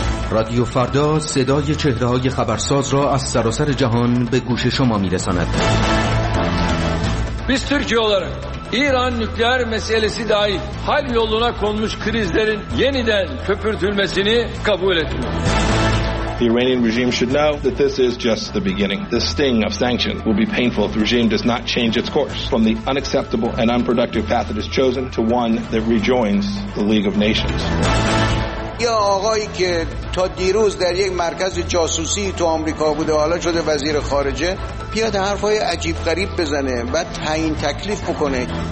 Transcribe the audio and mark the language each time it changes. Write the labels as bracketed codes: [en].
[fa] رادیو فردا صدای چهره‌های خبرساز را از سراسر جهان به گوش شما می‌رساند. [tr] Biz Türkiye olarak İran nükleer meselesi dahil hal yoluna konmuş krizlerin yeniden köpürtülmesini kabul etmiyoruz. [en] The Iranian regime should know that this is just the beginning. The sting of sanctions will be painful if the regime does not change its course from the unacceptable and unproductive path it has chosen to one that rejoins the League of Nations. [fa] یه آقایی که تا دیروز در یک مرکز جاسوسی تو آمریکا بوده حالا شده وزیر خارجه بیاد حرفای عجیب غریب بزنه و تعیین تکلیف بکنه.